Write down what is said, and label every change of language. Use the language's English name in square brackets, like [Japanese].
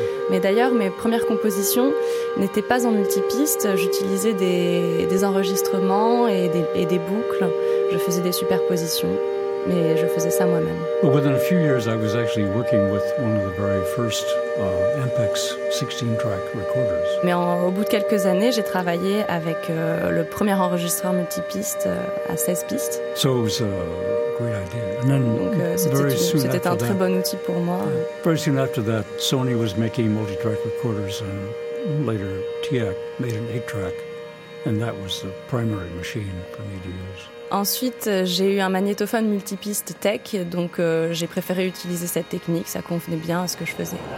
[French] Mais d'ailleurs, mes premières compositions n'étaient pas en multipiste. J'utilisais des enregistrements et des boucles. Je faisais des superpositions, mais je faisais ça moi-même. [English] But within a few years, I was actually working with one of the very first Ampex 16-track recorders. [French] Mais au bout de quelques années, j'ai travaillé avec le premier enregistreur multipiste à 16 pistes. [English] So it was a great idea. And then, [French] c'était un très bon outil pour moi. [English] Very soon after that, Sony was making multi-track recorders, and later TEAC made an 8-track, and that was the primary machine for me to use. [French] Ensuite, j'ai eu un magnétophone multipiste Tech, donc j'ai préféré utiliser cette technique, ça convenait bien à ce que je faisais.